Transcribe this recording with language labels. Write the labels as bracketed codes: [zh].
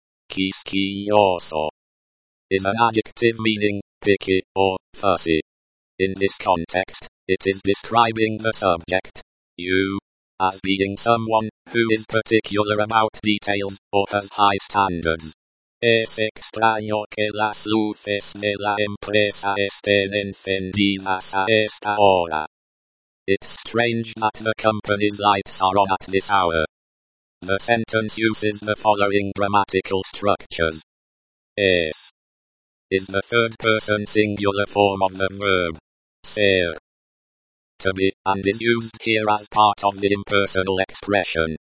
[en] Quisquilloso is an adjective meaning, picky, or, fussy. In this context, it is describing the subject, you, as being someone who is particular about details or has high standards. [es] Es extraño que las luces de la empresa estén encendidas a esta hora. [en] It's strange that the company's lights are on at this hour. The sentence uses the following grammatical structures. Es is the third person singular form of the verb ser, to be, and is used here as part of the impersonal expression.